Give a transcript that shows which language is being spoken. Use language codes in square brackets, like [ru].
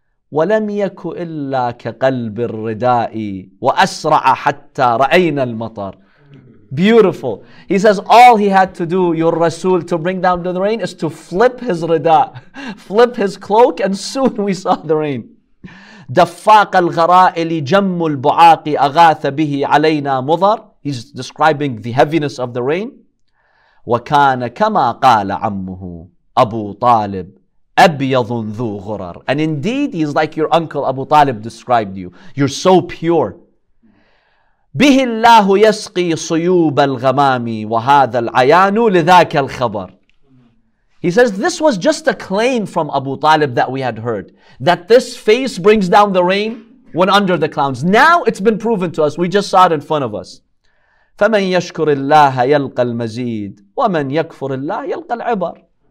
[ar] وَلَمْ يَكُ إِلَّا كَقَلْبِ الرِّدَاءِ وَأَسْرَعَ حَتَّى رَأَيْنَا الْمَطَرِ. [en] Beautiful. He says all he had to do, your Rasul, to bring down the rain is to flip his rida, flip his cloak, and soon we saw the rain. [ar] دفاق الغرائل جم البعاق أغاث به علينا مضر. [en] He's describing the heaviness of the rain. [ar] وكان كما قال عمه أبو طالب أبيض ذو غرر. [en] And indeed, he's like your uncle Abu Talib described you. You're so pure. [ar] به الله يسقي صيوب الغمام وهذا العيان لذاك الخبر. [en] He says this was just a claim from Abu Talib that we had heard, that this face brings down the rain when under the clouds. Now it's been proven to us. We just saw it in front of us. [ar] فمن يشكر الله يلقى المزيد ومن يكفر الله يلقى العبر.